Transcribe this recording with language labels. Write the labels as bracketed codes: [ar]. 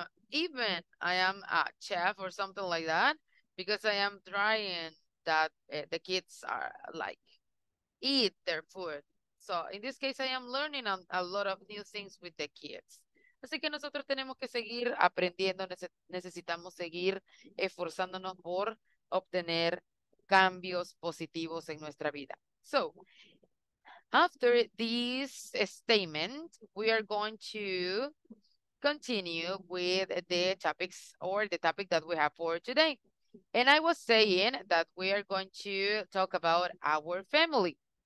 [en] Even I am a chef or something like that, because I am trying that the kids are like eat their food. So in this case, I am learning a lot of new things with the kids. [es] Así que nosotros tenemos que seguir aprendiendo, necesitamos seguir esforzándonos por obtener cambios positivos en nuestra vida. [en] So after this statement, we are going to continue with the topics or the topic that we have for today. And I was saying that we are going to talk about our family.